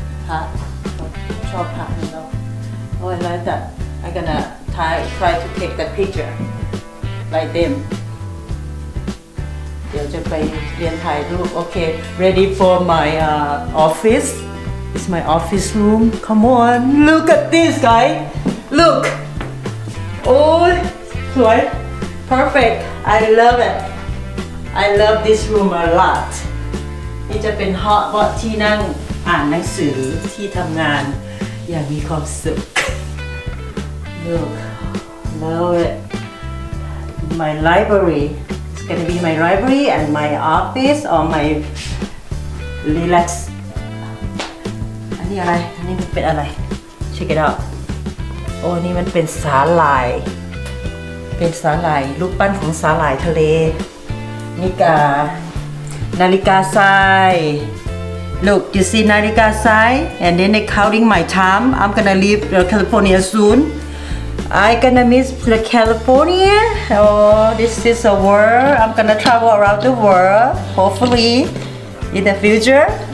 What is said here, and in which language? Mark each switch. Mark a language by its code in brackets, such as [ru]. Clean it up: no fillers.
[th] ฮะชอบฮะเนาะโอ้ยแล้วแต่ [en] I'm gonna try to take that picture like them [th] เดี๋ยวจะไปเรียนถ่ายรูป [en] โอเค ready for my office it's my office room come on look at this guy lookOh, so perfect. I love it. I love this room a lot. [th] นี่จะเป็นห้องที่นั่งอ่านหนังสือที่ทำงานอย่างมีความสุข [en] Look, love it. My library. It's gonna be my library and my office or my relax. [th] อันนี้อะไรอันนี้เป็นอะไร [en] Check it out. Oh, [th] นี่มันเป็นสาหร่ายเป็นสาหร่ายรูปปั้นของสาหร่ายทะเลนี่กานาฬิกาทราย [en] Look you see นาฬิกาทราย and then they counting my time I'm gonna leave California soon I gonna miss the California oh this is a world I'm gonna travel around the world hopefully in the future